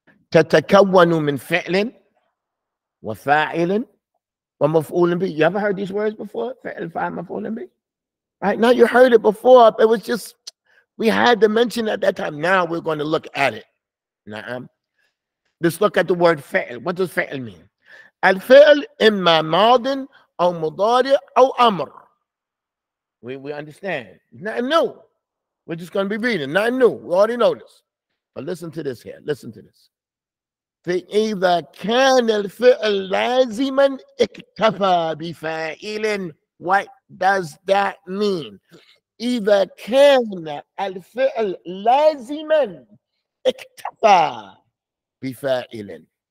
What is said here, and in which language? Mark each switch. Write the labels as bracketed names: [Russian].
[Arabic] تَتَكَوَّنُ مِنْ فِعْلٍ وَفَاعِلٍ وَمَفْعُولٍ بِهِ. [English] You ever heard these words before? [Arabic] فِعْلٍ فَاعِلٍ مَفْعُولٍ بِهِ. [English] Right now you heard it before, but it was just, we had to mention at that time. Now we're going to look at it. Na'am. Let's look at the word فِعْل. What does فِعْل mean? [Arabic] الفِعْل إِمَّا مَاضٍ أَوْ مُضَارِعٍ أَوْ أَمْرٍ. [English] We understand. Nothing new. We're just going to be reading. Nothing new. We already know this. But listen to this here. Listen to this. [Arabic] فَإِذَا كَانَ الْفِعْلْ لَازِمًا اِكْتَفَى بِفَاعِلٍ. [English] What does that mean? [Arabic] إِذَا كَانَ الْفِعْلْ لَازِمًا اِكْتَفَى بِفَاعِلٍ.